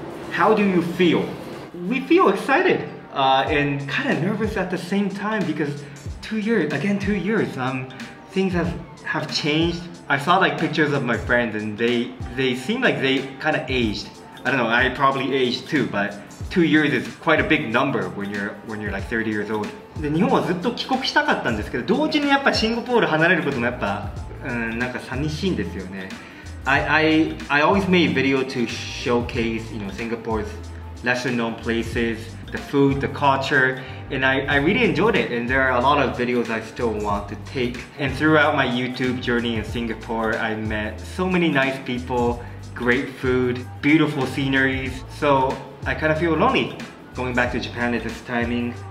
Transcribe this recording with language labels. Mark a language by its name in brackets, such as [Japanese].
[English] How do you feel? We feel excited and kind of nervous at the same time because 2 years, again, 2 years, things have changed. I saw like pictures of my friends and they seem like they kind of aged. I don't know, I probably aged too, but 2 years is quite a big number when you're like 30 years old. [Japanese] で、日本はずっと帰国したかったんですけど、同時にやっぱシンガポール離れることもやっぱ、なんか寂しいんですよね。 [English] I always made video to showcase, you know, Singapore's lesser known places, the food, the culture, and I really enjoyed it, and there are a lot of videos I still want to take. And throughout my YouTube journey in Singapore, I met so many nice people, great food, beautiful sceneries, so I kind of feel lonely going back to Japan at this timing.